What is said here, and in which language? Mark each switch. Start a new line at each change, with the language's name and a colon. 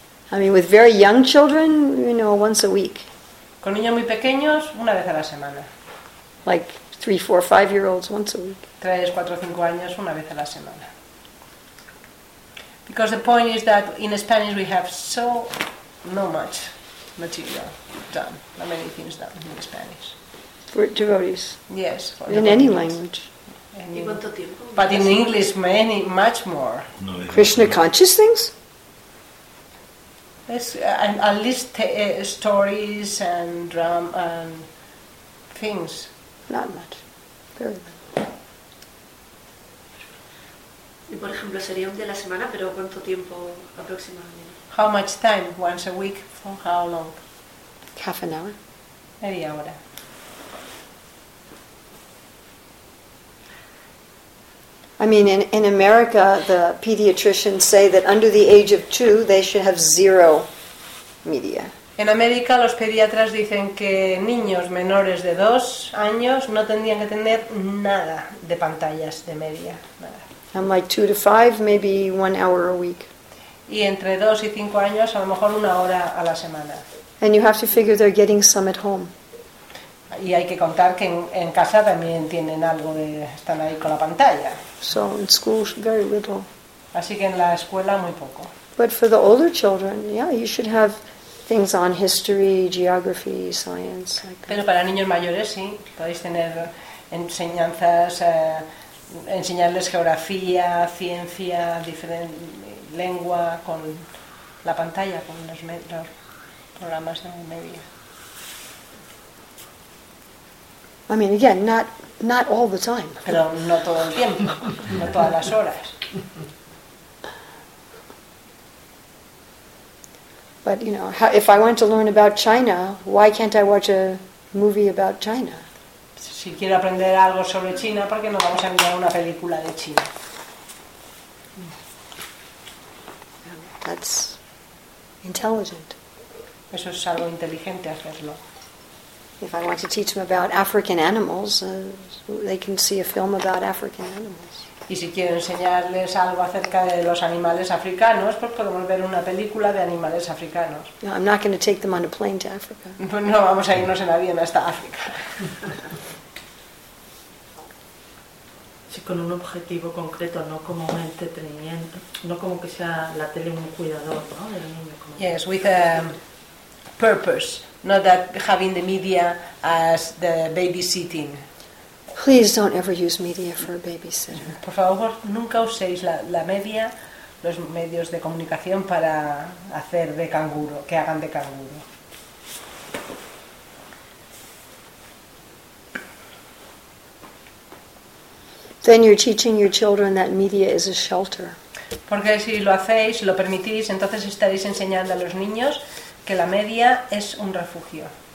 English: I mean, with very young children, you know, once a week.
Spanish: Con niños muy pequeños, una vez a la semana.
English: Like 3, 4, 5-year-olds, once a week.
Spanish: 3, 4, 5 años, una vez a la semana.
English: Because the point is that in Spanish we have so no much material done, not many things done in Spanish. For devotees. Yes. In any language. But in English, many, much more. Krishna conscious things? It's, at least stories and drama and things. Not much. Very much.
Spanish: Por ejemplo, sería un día a la semana, pero ¿cuánto tiempo aproximadamente?
English: How much time? Once a week? For how long? Half an hour.
Spanish: Media hora.
English: I mean, in America, the pediatricians say that under the age of 2, they should have 0 media.
Spanish: En América, los pediatras dicen que niños menores de 2 años no tendrían que tener nada de pantallas de media. Nada.
English: I'm like 2 to 5, maybe 1 hour a week.
Spanish: Y entre 2 y 5 años, a lo mejor una hora a la semana.
English: And you have to figure they're getting some at home.
Spanish: Y hay que contar que en casa también tienen algo de están ahí con la pantalla.
English: So in school very little.
Spanish: Así que en la escuela muy poco.
English: But for the older children, yeah, you should have things on history, geography, science. Like
Spanish: pero para niños mayores sí, podéis tener enseñanzas, enseñarles geografía, ciencia, diferente lengua con la pantalla, con los programas de media.
English: I mean, again, not all the time.
Spanish: Pero no todo el tiempo, no todas las horas.
English: But you know, if I want to learn about China, why can't I watch a movie about China?
Spanish: Si quiero aprender algo sobre China, ¿por qué no vamos a mirar una película de China?
English: That's intelligent.
Spanish: Eso es algo inteligente hacerlo. Sí.
English: If I want to teach them about African animals, they can see a film about African animals.
Spanish: Y si quiero enseñarles algo acerca de los animales africanos, pues podemos ver una película de animales africanos.
English: No, I'm not going to take them on a plane to Africa.
Spanish: No vamos a irnos en avión hasta África. Sí, con un objetivo concreto, no como un entretenimiento, no como que sea la tele un cuidador, ¿no?
English: Yes, with a purpose, not that having the media as the babysitting. Please don't ever use media for a babysitter.
Spanish: Por favor, nunca uséis la media, los medios de comunicación para hacer de canguro, que hagan de canguro.
English: Then you're teaching your children that media is a shelter.
Spanish: Porque si lo hacéis, lo permitís, entonces estaréis enseñando a los niños que la media es un refugio.